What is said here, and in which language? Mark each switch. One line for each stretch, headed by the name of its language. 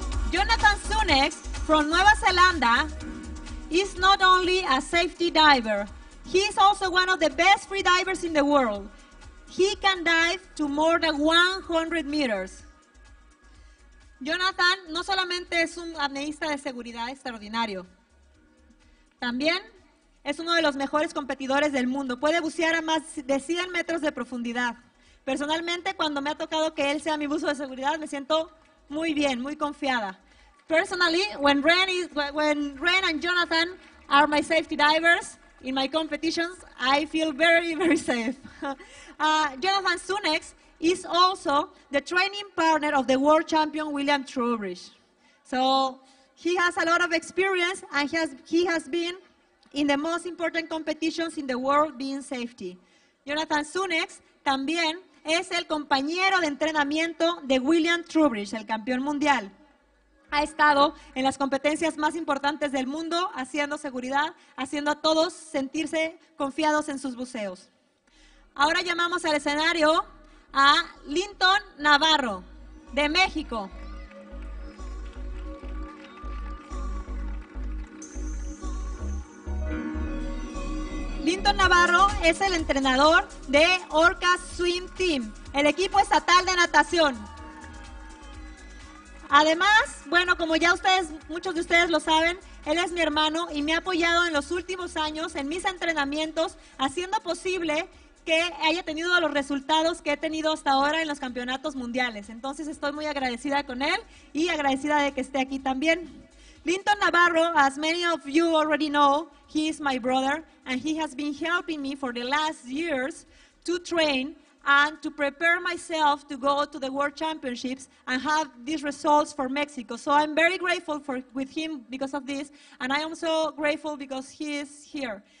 English: Jonathan Sunex from Nueva Zelanda is not only a safety diver, he is also one of the best free divers in the world. He can dive to more than 100 meters.
Spanish: Jonathan no solamente es un apneísta de seguridad extraordinario, también es uno de los mejores competidores del mundo. Puede bucear a más de 100 metros de profundidad. Personalmente, cuando me ha tocado que él sea mi buzo de seguridad, me siento muy bien, muy confiada.
English: Personally, when Ren and Jonathan are my safety divers in my competitions, I feel very, very safe. Jonathan Sunex is also the training partner of the world champion William Trowbridge. So he has a lot of experience and he has been in the most important competitions in the world being safety.
Spanish: Jonathan Sunex también es el compañero de entrenamiento de William Trowbridge, el campeón mundial. Ha estado en las competencias más importantes del mundo, haciendo seguridad, haciendo a todos sentirse confiados en sus buceos. Ahora llamamos al escenario a Linton Navarro, de México. Linton Navarro es el entrenador de Orca Swim Team, el equipo estatal de natación. Además, bueno, como ya ustedes, muchos de ustedes lo saben, él es mi hermano y me ha apoyado en los últimos años en mis entrenamientos, haciendo posible que haya tenido los resultados que he tenido hasta ahora en los campeonatos mundiales. Entonces, estoy muy agradecida con él y agradecida de que esté aquí también.
English: Linton Navarro, as many of you already know, he is my brother and he has been helping me for the last years to train and to prepare myself to go to the World Championships and have these results for Mexico. So I'm very grateful with him because of this, and I am so grateful because he is here.